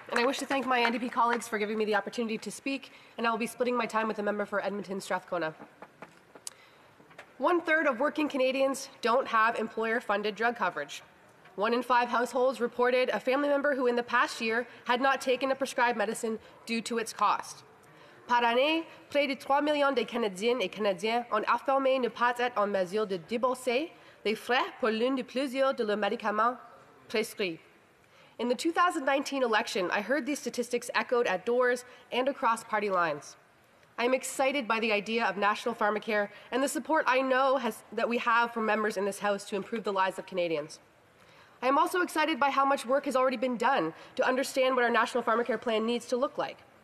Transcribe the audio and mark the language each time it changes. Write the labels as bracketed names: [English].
[English] And I wish to thank my NDP colleagues for giving me the opportunity to speak, and I will be splitting my time with the member for Edmonton Strathcona. One third of working Canadians don't have employer-funded drug coverage. One in five households reported a family member who in the past year had not taken a prescribed medicine due to its cost. [French] Par année, près de 3 millions de Canadiennes et Canadiens ont affirmé ne pas être en mesure de débourser les frais pour l'une de plusieurs de leurs médicaments prescrits. [English] In the 2019 election, I heard these statistics echoed at doors and across party lines. I am excited by the idea of national pharmacare and the support I know that we have from members in this House to improve the lives of Canadians. I am also excited by how much work has already been done to understand what our national pharmacare plan needs to look like.